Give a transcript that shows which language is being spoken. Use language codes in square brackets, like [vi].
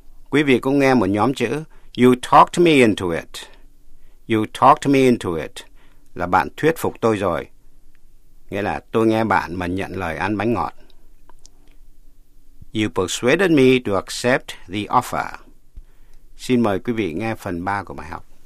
[vi] Quý vị cũng nghe một nhóm chữ. [en] You talked me into it. You talked me into it. [vi] Là bạn thuyết phục tôi rồi. Nghĩa là tôi nghe bạn mà nhận lời ăn bánh ngọt. [en] You persuaded me to accept the offer. [vi] Xin mời quý vị nghe phần 3 của bài học.